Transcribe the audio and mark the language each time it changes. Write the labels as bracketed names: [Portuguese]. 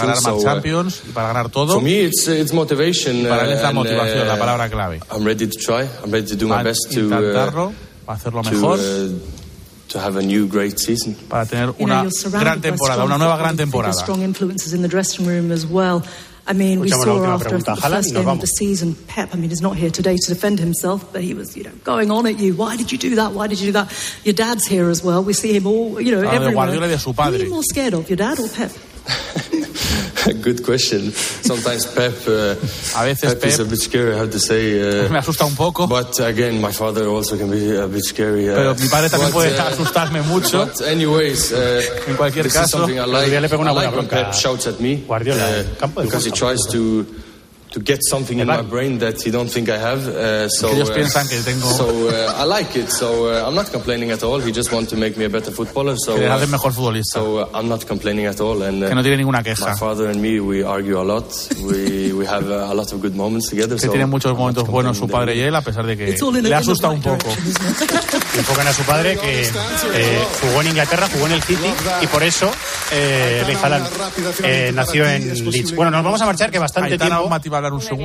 [Spanish] Para ganar más Champions y para ganar todo. [English] For me, it's motivation. [Spanish] Para él es la motivación, la palabra clave. [English] I'm ready to try. I'm ready to do my best to [Spanish] hacerlo mejor. [English] To have a new great season. [Spanish] Para tener una gran temporada, una nueva gran temporada. [English] Strong influences in the dressing room as well. I mean, we saw after the first game of the season, Pep, I mean, he's not here today to defend himself, but he was, you know, going on at you. Why did you do that? Why did you do that? Your dad's here as well. We see him all, you know, everywhere. Who are you more scared of, your dad or Pep? Good question. Sometimes Pep, [Spanish] a veces [English] Pep is a bit scary, I have to say. [Spanish] Me asusta un poco. [English] But again, my father also can be a bit scary. [Spanish] Pero mi padre también puede asustarme mucho. [English] But anyways, [Spanish] en cualquier caso, Guardiola le pega una buena bronca. [English] Pep shouts at me. [Spanish] Guardiola, campo de [English] because he tries to get something in my brain that you don't think I have. [Spanish] Ellos piensan que tengo. [English] So I like it. So I'm not complaining at all. He just wants to make me a better footballer. So [Spanish] que hacerme mejor futbolista. [English] So I'm not complaining at all. And [Spanish] que no tiene ninguna queja. [English] My father and me, we argue a lot. We have a lot of good moments together. [Spanish] Que [English] so [Spanish] tiene muchos momentos buenos su padre y él, a pesar de que le asusta un poco. Enfocan a su padre que jugó en Inglaterra, jugó en el City y por eso Erling Haaland nació en Leeds. Bueno, nos vamos a marchar que bastante tiempo. Un segundo.